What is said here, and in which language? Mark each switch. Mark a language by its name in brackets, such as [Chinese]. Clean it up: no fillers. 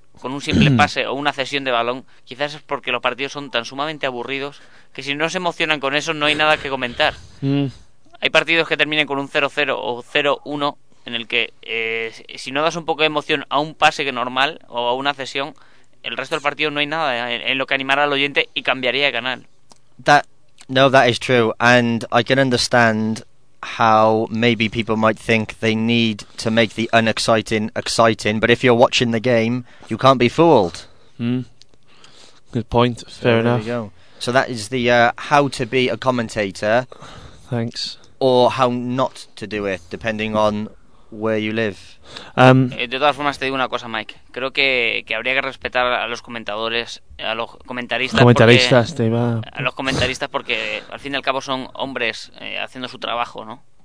[Spanish] con un simple pase o una cesión de balón, quizás es porque los partidos son tan sumamente aburridos que si no se emocionan con eso no hay nada que comentar. Hay partidos que terminen con un 0-0 o 0-1 en el que si no das un poco de emoción a un pase normal o a una cesión, el resto del partido no hay nada en lo que animara al oyente y cambiaría de canal. [English] That is true, and I can understand how maybe people might think they need to make the unexciting exciting, but if you're watching the game, you can't be fooled. Good point. Fair enough. There you go. So that is the how to be a commentator. Thanks. Or how not to do it, depending on where you live. [Spanish] De todas formas, te digo una cosa, Mike. Creo que habría que respetar a los comentadores, a los comentaristas. A los comentaristas, porque al fin y al cabo son hombres haciendo su trabajo, ¿no?